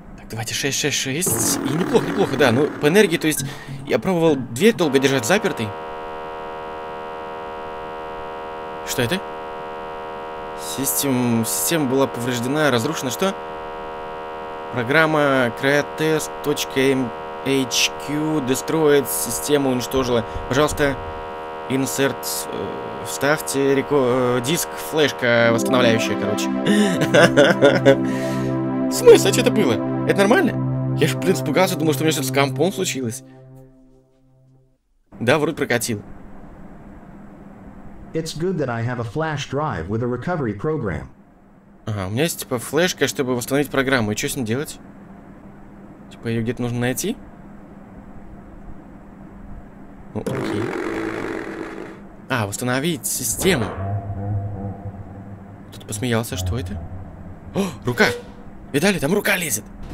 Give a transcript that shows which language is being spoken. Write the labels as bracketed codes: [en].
[ru] Давайте 666. И неплохо, неплохо, да. Ну, по энергии, то есть, я пробовал дверь долго держать запертой. Что это? Система была повреждена, разрушена. Что? Программа createtest.hq [en] destroyed. [ru] Система уничтожила. Пожалуйста, [en] insert. [ru] Вставьте диск, флешка восстанавливающая, короче. В смысле, а что это было? Это нормально? Я же, блин, испугался, думал, что у меня что-то с компом случилось. Да, вроде прокатил. [en] It's good that I have a flash drive with a recovery program. [ru] Ага, у меня есть, типа, флешка, чтобы восстановить программу. И что с ней делать? Типа, ее где-то нужно найти? Ну, окей. А, восстановить систему. Кто-то посмеялся, что это? О, рука! Видали, там рука лезет.